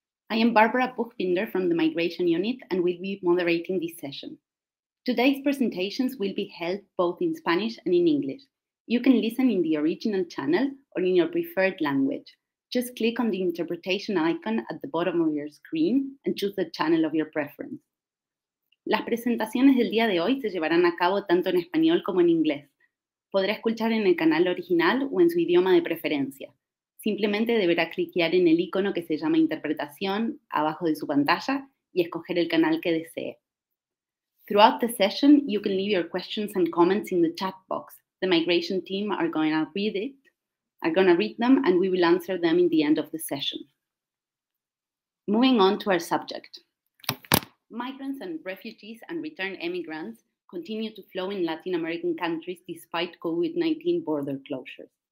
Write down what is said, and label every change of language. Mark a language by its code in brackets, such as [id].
[en] I am Barbara Buchbinder from the Migration Unit and will be moderating this session. Today's presentations will be held both in Spanish and in English. You can listen in the original channel or in your preferred language. Just click on the interpretation icon at the bottom of your screen and choose the channel of your preference. [es] Las presentaciones del día de hoy se llevarán a cabo tanto en español como en inglés. Podrá escuchar en el canal original o en su idioma de preferencia. Simplemente deberá cliquear en el icono que se llama Interpretación abajo de su pantalla y escoger el canal que desee. [en] Throughout the session, you can leave your questions and comments in the chat box. The migration team are going to read them and we will answer them in the end of the session. Moving on to our subject. Migrants and refugees and returned immigrants continue to flow in Latin American countries despite COVID-19 border closures.